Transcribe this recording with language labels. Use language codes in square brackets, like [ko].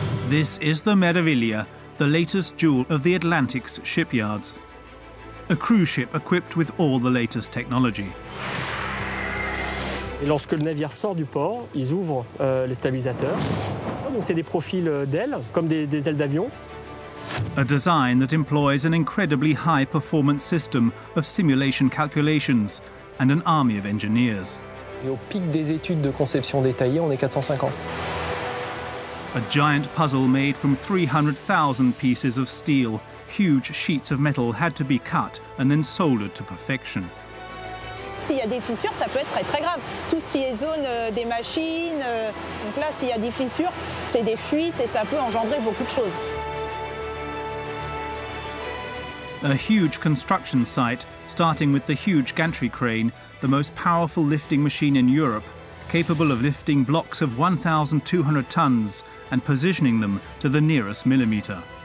[en] This is the Meraviglia, the latest jewel of the Atlantic's shipyards. A cruise ship equipped with all the latest technology. [fr] Et lorsque le navire sort du port, ils ouvrent les stabilisateurs. Donc c'est des profils d'ailes, comme des ailes d'avion. [en] A design that employs an incredibly high-performance system of simulation calculations and an army of engineers. [fr] Et au pic des études de conception détaillée, on est 450. [en] A giant puzzle made from 300,000 pieces of steel. Huge sheets of metal had to be cut and then soldered to perfection. [fr] S'il y a des fissures, ça peut être très très grave. Tout ce qui est zone des machines, donc là, s'il y a des fissures, c'est des fuites et ça peut engendrer beaucoup de choses. [en] A huge construction site, starting with the huge gantry crane, the most powerful lifting machine in Europe, capable of lifting blocks of 1,200 tons and positioning them to the nearest millimeter.